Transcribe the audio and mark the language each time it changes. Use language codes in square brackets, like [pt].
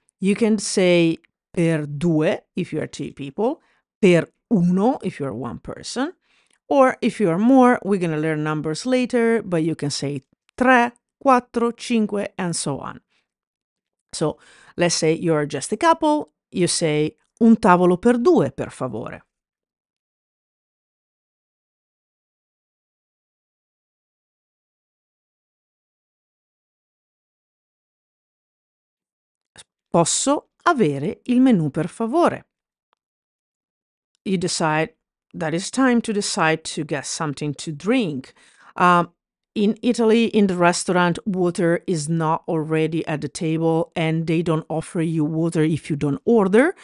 [en] You can say [it] per due [en] if you are two people, [it] per uno [en] if you are one person, or if you are more, we're going to learn numbers later, but you can say [it] tre, quattro, cinque, [en] and so on. So let's say you're just a couple. You say, [it] un tavolo per due, per favore. Posso avere il menù per favore? [en] You decide that it's time to decide to get something to drink. In Italy, in the restaurant, water is not already at the table and they don't offer you water if you don't order.